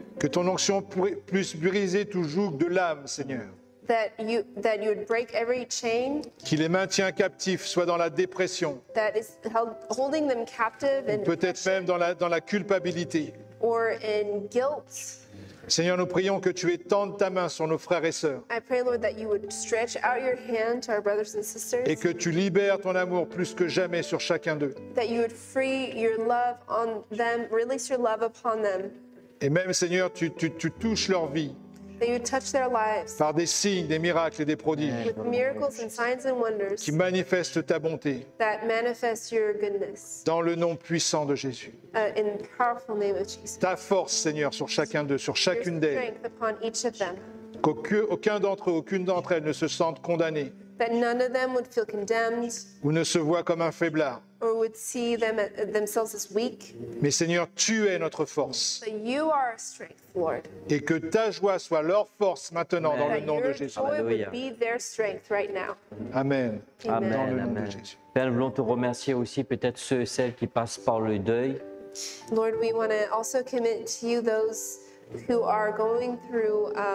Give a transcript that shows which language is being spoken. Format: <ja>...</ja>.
<fr>Que ton onction puisse briser toujours de l'âme, Seigneur.</fr> <en>That you would break every chain.</en> <fr>Qui les maintient captifs, soit dans la dépression.</fr> <en>That is holding them captive and</en> <fr>peut-être même dans la culpabilité.</fr> <en>Or in guilt.</en> <fr>Seigneur, nous prions que tu étendes ta main sur nos frères et sœurs.</fr> <en>I pray, Lord, that you would stretch out your hand to our brothers and sisters.</en> <fr>Et que tu libères ton amour plus que jamais sur chacun d'eux.</fr> <en>That you would free your love on them, release your love upon them.</en> <fr>Et même, Seigneur, tu touches leur vie.</fr> <en>That you touch their lives.</en> <fr>Par des signes, des miracles et des prodiges.</fr> <en>With miracles and signs and wonders.</en> <fr>Qui manifestent ta bonté.</fr> <en>That manifest your goodness.</en> <fr>Dans le nom puissant de Jésus.</fr> <en>In the powerful name of Jesus.</en> <fr>Ta force, Seigneur, sur chacun d'eux, sur chacune d'elles.</fr> <en>Your strength upon each of them.</en> <fr>Qu'aucun d'entre eux, aucune d'entre elles ne se sente condamné.</fr> <en>That none of them would feel condemned.</en> <fr>Ou ne se voit comme un faiblard.</fr> <en>Or would see themselves as weak.</en> <fr>Mais Seigneur, tu es notre force.</fr> <en>So you are our strength, Lord.</en> <fr>Et que ta joie soit leur force maintenant. Amen. Dans le nom de Jésus.</fr> <en>Your joy would be their strength right now. Amen.</en> <fr>Amen. Dans le nom de Jésus. Père, nous voulons te remercier aussi peut-être ceux et celles qui passent par le deuil.</fr> <en>Lord, we want to also commit to you those who are going through</en>